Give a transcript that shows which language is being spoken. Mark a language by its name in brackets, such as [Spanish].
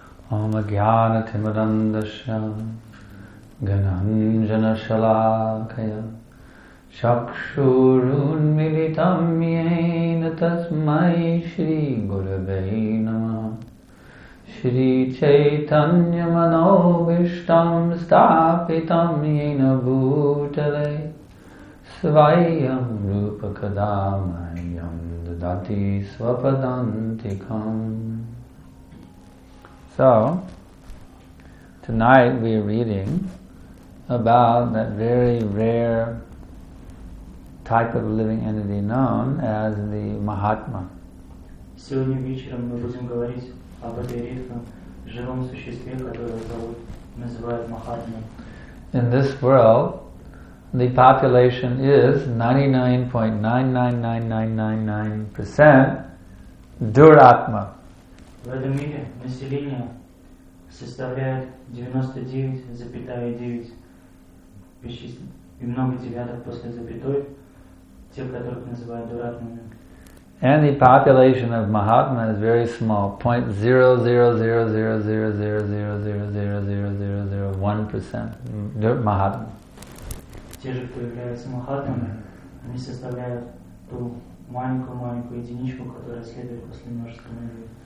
[Sanskrit] Om Ajnana Timurandasya Gananjana Shalakaya Shakshurun Militam Yena Tasmai Shri Gurave Namah Shri Chaitanya Manovishtam Stapitam Yena Bhutale Svayam Rupa Kadamayam Dadati Svapadantikam. [English] So, tonight we are reading about that very rare type of living entity known as the Mahatma. [Russian] Сегодня вечером мы будем говорить об этой редком живом существе, которое называют Махатмой. [English] in this world, the population is 99.99999% Duratma. And the population of Mahatma is very small, 0.00000000001% Mahatma. [Russian] Те же, кто являются махатмами, они составляют ту маленькую-маленькую единичку, которая следует после множественной любви.